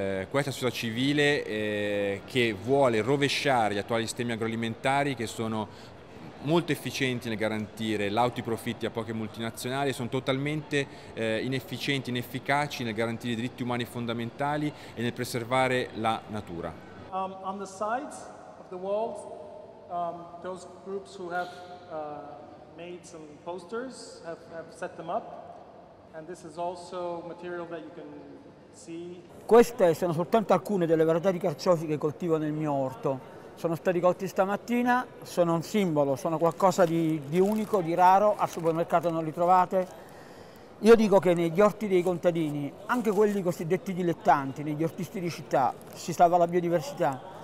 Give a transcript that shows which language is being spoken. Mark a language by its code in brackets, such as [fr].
[it] Questa società civile che vuole rovesciare gli attuali sistemi agroalimentari che sono molto efficienti nel garantire lauti profitti a poche multinazionali, sono totalmente inefficienti, inefficaci nel garantire i diritti umani fondamentali e nel preservare la natura. [en] On the sides of the world, those groups who have made some posters have set them up, and this is also material that you can. [it] Queste sono soltanto alcune delle varietà di carciofi che coltivo nel mio orto. Sono stati colti stamattina, sono un simbolo, sono qualcosa di unico, di raro, al supermercato non li trovate. Io dico che negli orti dei contadini, anche quelli cosiddetti dilettanti, negli ortisti di città, si salva la biodiversità.